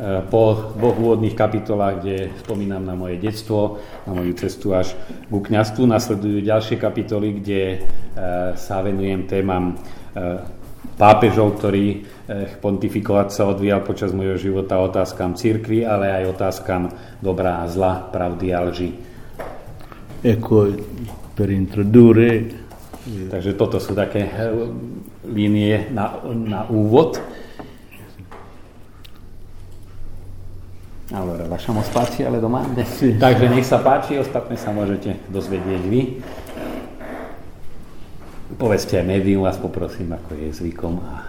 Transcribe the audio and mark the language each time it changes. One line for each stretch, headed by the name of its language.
Slovak: Po dvoch úvodných kapitolách, kde spomínam na moje detstvo, na moju cestu až ku kňazstvu, nasledujú ďalšie kapitoly, kde sa venujem témam pápežov, ktorý pontifikovať sa odvíjal počas môjho života, otázkam cirkvi, ale aj otázkam dobrá a zla, pravdy a lži.
Italian: Ecco, per introdurre.
Slovak: Takže toto sú také linie na úvod.
Italian: Allora, lasciamo spazio alle domande. Sì,
Slovak: Takže nech sa páči, ostatné sa môžete dozvedieť vy. Povedzte aj médium, vás poprosím, ako je zvykom.